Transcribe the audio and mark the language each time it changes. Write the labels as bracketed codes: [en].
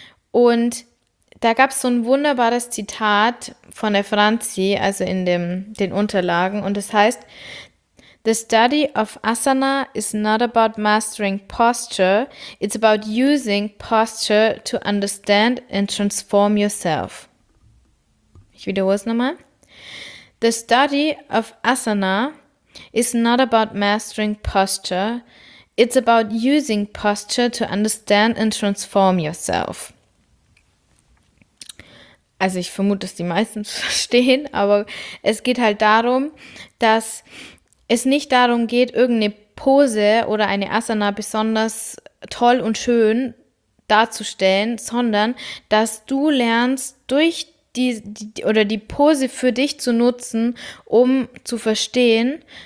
[de] Und da gab es so ein wunderbares Zitat von der Franzi, also in den Unterlagen, und das heißt: [en] The study of asana is not about mastering posture, it's about using posture to understand and transform yourself. [de] Ich wiederhole es nochmal. [en] The study of asana is not about mastering posture, it's about using posture to understand and transform yourself. [de] Also ich vermute, dass die meisten es verstehen, aber es geht halt darum, dass es nicht darum geht, irgendeine Pose oder eine Asana besonders toll und schön darzustellen, sondern dass du lernst, durch die Pose für dich zu nutzen, um zu verstehen,